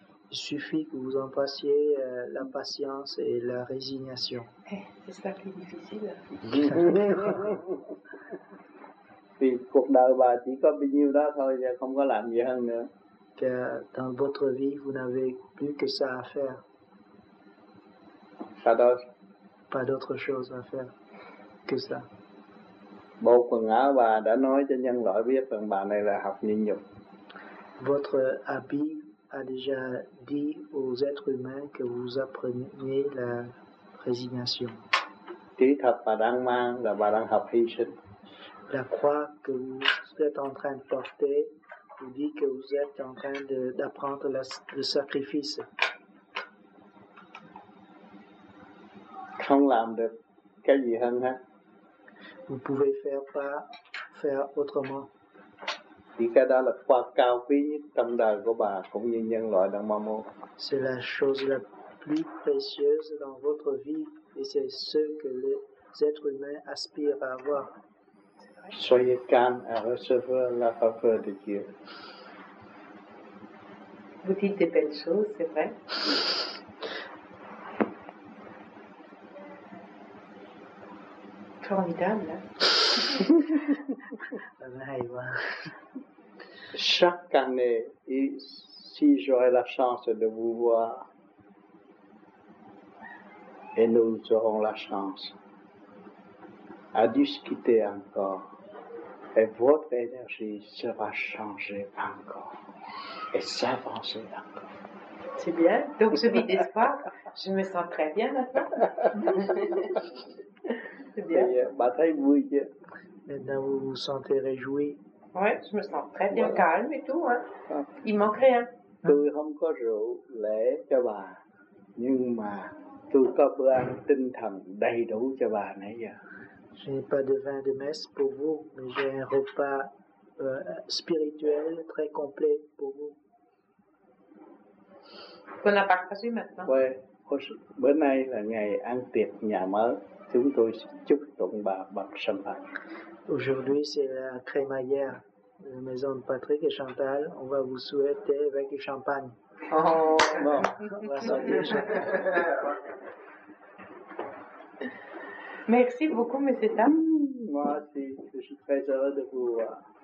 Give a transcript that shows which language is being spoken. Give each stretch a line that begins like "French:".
French: suffit que vous embrassiez la patience et la résignation. C'est ça qui est difficile.
Vietnamese: Vì cuộc đời bà chỉ có bao nhiêu đó thôi, và không có làm gì hơn nữa.
French: Que dans votre vie, vous n'avez plus que ça à faire. Pas d'autre. Pas d'autre chose à faire que ça.
Vietnamese: Bộ quần áo bà đã nói cho nhân loại biết rằng bà này là học nhịn nhục.
French: Votre habit a déjà dit aux êtres humains que vous appreniez la résignation.
Vietnamese: Kỹ thuật bà đang mang là bà đang học hy sinh.
French: La croix que vous êtes en train de porter vous dit que vous êtes en train d'apprendre le sacrifice.
Vietnamese: Không làm được cái gì hơn hết.
French: Vous pouvez faire autrement.
Vietnamese: Thì cái đó là quà cao quý nhất trong đời của bà cũng như nhân loại đang mong muốn.
French: C'est la chose la plus précieuse dans votre vie et c'est ce que les êtres humains aspirent à avoir. Soyez calme à recevoir la faveur de Dieu. Vous dites des belles choses, c'est vrai. Formidable. Chaque année, si j'aurai la chance de vous voir, et nous aurons la chance à discuter encore. Et votre énergie sera changée encore et s'avancer encore. C'est bien. Donc je vis d'espoir. Je me sens très bien maintenant. C'est bien. Maintenant vous vous sentez réjoui. Oui, je me sens très bien, voilà. Calme et tout. Hein. Il manque rien.
Vietnamese: Tôi không có rượu lễ cho bà, nhưng mà tôi có bữa ăn tinh thần đầy đủ cho bà nãy giờ.
French: Je n'ai pas de vin de messe pour vous, mais j'ai un repas spirituel très complet pour vous. Qu'on a partagé maintenant. Ouais.
Vietnamese: Bữa nay là ngày ăn tiệc nhà mới, chúng tôi chúc tụng bà bằng champagne.
French: Aujourd'hui c'est la crémaillère de la maison de Patrick et Chantal. On va vous souhaiter avec du champagne. Oh, bon, on va sortir le champagne. Merci beaucoup, monsieur Tam. Moi aussi, je suis très heureux de vous voir.